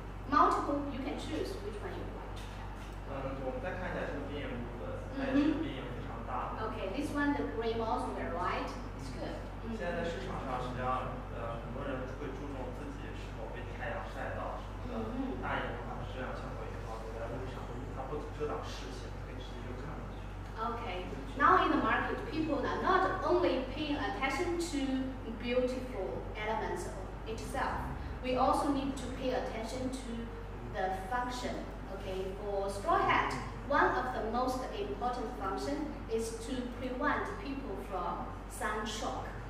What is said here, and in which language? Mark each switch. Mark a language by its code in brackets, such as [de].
[en] Multiple, you can choose which one you want. [zh] 我们再看一下这个边沿部分，它也是边沿非常大。Okay, [en] this one the brim also very wide. It's good. [zh] 现在市场上实际上，很多人会注重自己是否被太阳晒到什么的。大檐的话，遮阳效果也好，在路上它不遮挡视线，可以直接就看过去。 [en] Okay. Now in the market, people are not only paying attention to beautiful elements itself. We also need to pay attention to the function. Okay. For straw hat, one of the most important function is to prevent people from sun shock.